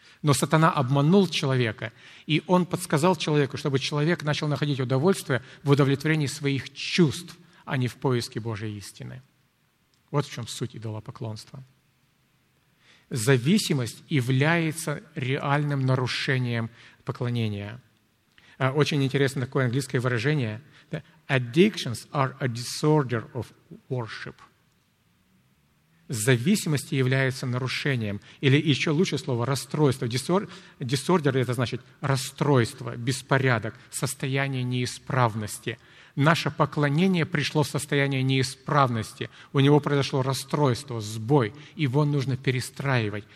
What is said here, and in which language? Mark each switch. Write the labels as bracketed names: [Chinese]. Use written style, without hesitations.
[Russian] Но сатана обманул человека, и он подсказал человеку, чтобы человек начал находить удовольствие в удовлетворении своих чувств, а не в поиске Божьей истины. Вот в чем суть идолопоклонства. Зависимость является реальным нарушением поклонения. Очень интересно такое английское выражение. [English] Addictions are a disorder of worship. [Russian] Зависимости являются нарушением. Или еще лучше слово – расстройство. Disorder – это значит расстройство, беспорядок, состояние неисправности. Наше поклонение пришло в состояние неисправности. У него произошло расстройство, сбой. Его нужно перестраивать.